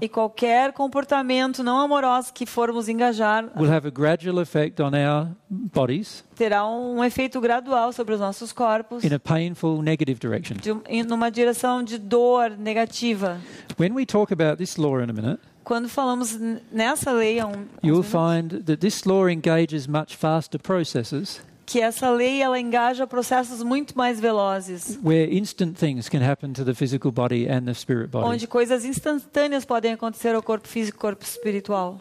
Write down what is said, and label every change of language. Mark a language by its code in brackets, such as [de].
[pt] E qualquer comportamento não amoroso que formos engajar. [en] Will have a gradual effect on our bodies. [pt] Terá um efeito gradual sobre os nossos corpos. [en] In a painful negative direction. [pt] Numa direção de dor negativa. [en] When we talk about this law in a minute. [pt] Quando falamos nessa lei, [en] you'll find that this law engages much faster processes. [pt] Que essa lei ela engaja processos muito mais velozes. [en] Where instant things can happen to the physical body and the spirit body. [pt] Onde coisas instantâneas podem acontecer ao corpo físico, corpo espiritual.